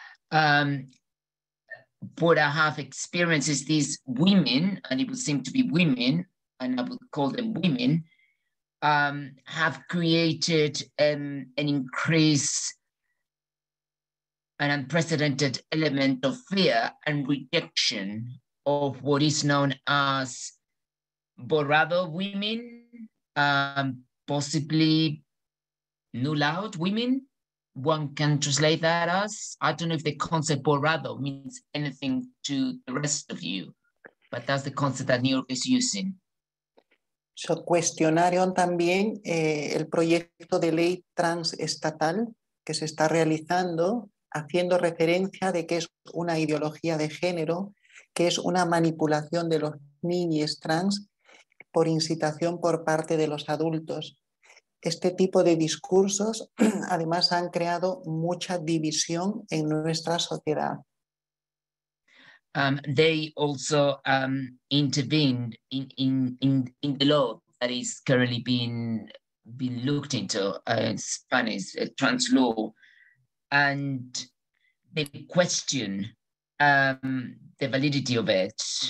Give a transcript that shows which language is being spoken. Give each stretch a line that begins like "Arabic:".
English: What I have experienced is these women, and it would seem to be women, and I would call them women, have created an increase, an unprecedented element of fear and rejection of what is known as borrado women, possibly null out women. One can translate that as, I don't know if the concept borrado means anything to the rest of you, but that's the concept that New York is using.
Spanish: So, cuestionaron también el proyecto de ley transestatal que se está realizando, haciendo referencia de que es una ideología de género, que es una manipulación de los niños trans por incitación por parte de los adultos. Este tipo de discursos, además, han creado mucha división en nuestra sociedad.
English: They also intervened in the law that is currently being looked into, Spanish trans law, and they question the validity of it.